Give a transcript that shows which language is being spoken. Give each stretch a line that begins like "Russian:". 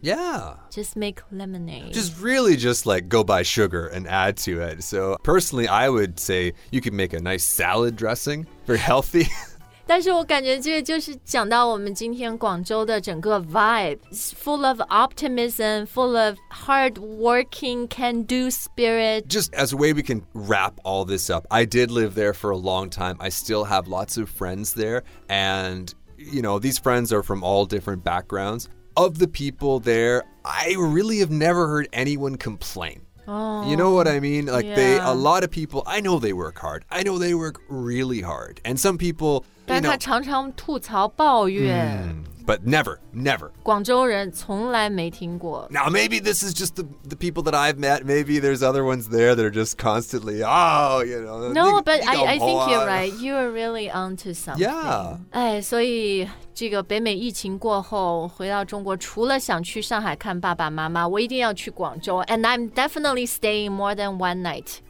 English: Yeah, just make lemonade. Just really just like go buy sugar and add to it. So personally I would say you can make a nice salad dressing, very healthy.
Chinese: 但是我感觉这就是讲到我们今天广州的整个 vibe,
English: full of optimism, full of hardworking, can-do spirit. Just as a way we can wrap all this up, I did live there for a long time. I still have lots of friends there. And, you know, these friends are from all different backgrounds. Of the people there, I really have never heard anyone complain. Oh, you know what I mean? Like、 yeah. they, a lot of people, I know they work hard. I know they work really hard. And some people...
Chinese: 但他常常吐槽抱怨、
English: mm, But never, never
Chinese: 广州人从来没听过。
English: Now maybe this is just the people that I've met. Maybe there's other ones there that are just constantly, oh, you know. No, but I think you're right. You're really onto something. Yeah.
Chinese: 哎，所以这个北美疫情过后回到中国，除了想去上海看爸爸妈妈，我一定要去广州。
English: And I'm definitely staying more than one night.